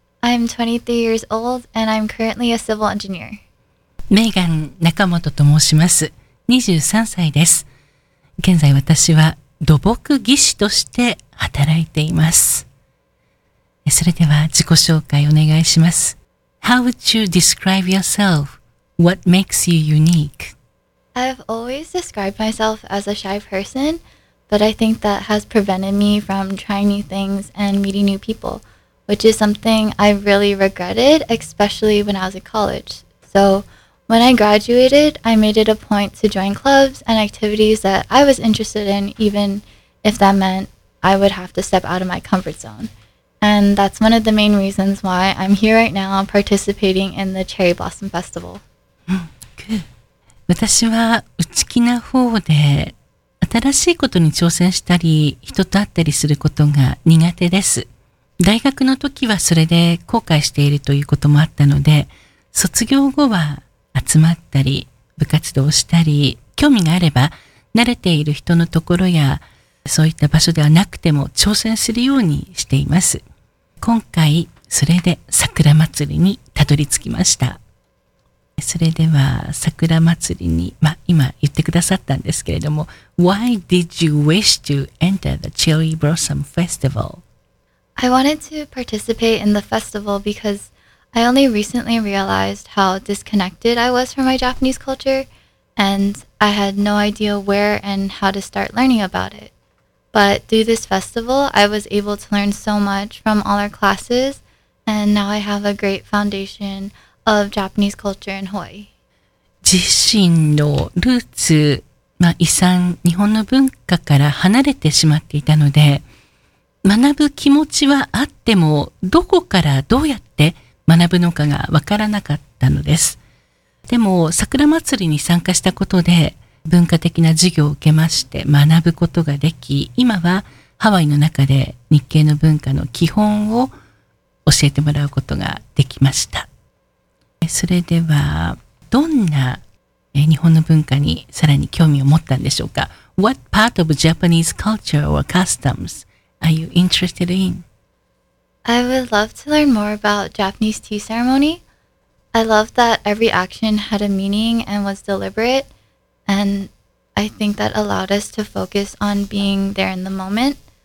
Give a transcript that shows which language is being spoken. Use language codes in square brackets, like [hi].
[en] I'm 23 years old and I'm currently a civil engineer. [ja] Megan Nakamoto と申します。23歳です。現在私は土木技師として働いています。それでは自己紹介お願いします。 [en] How would you describe yourself? What makes you unique? I've always described myself as a shy person. But I think that has prevented me from trying new things and meeting new people, which is something I really regretted, especially when I was in college. So when I graduated, I made it a point to join clubs and activities that I was interested in, even if that meant I would have to step out of my comfort zone. And that's one of the main reasons why I'm here right now participating in the Cherry Blossom Festival. Good. [ja] 私は内気な方で、新しいことに挑戦したり、人と会ったりすることが苦手です。大学の時はそれで後悔しているということもあったので、卒業後は集まったり、部活動をしたり、興味があれば慣れている人のところや、そういった場所ではなくても挑戦するようにしています。今回、それで桜祭りにたどり着きました。それでは桜祭りに、まあ、今言ってくださったんですけれども [en] Why did you wish to enter the Cherry Blossom Festival? I wanted to participate in the festival because I only recently realized how disconnected I was from my Japanese culture and I had no idea where and how to start learning about it. But through this festival, I was able to learn so much from all our classes and now I have a great foundationof Japanese culture in Hawaii. [ja] 自身のルーツ、まあ、遺産、日本の文化から離れてしまっていたので、学ぶ気持ちはあっても、どこからどうやって学ぶのかがわからなかったのです。でも、桜祭りに参加したことで、文化的な授業を受けまして学ぶことができ、今はハワイの中で日系の文化の基本を教えてもらうことができました。それではどんな日本の文化にさらに興味を持ったんでしょうか? [en] What part of Japanese culture or customs are you interested in? I would love to learn more about Japanese tea ceremony. I love that every action had a meaning and was deliberate. And I think that allowed us to focus on being there in the moment.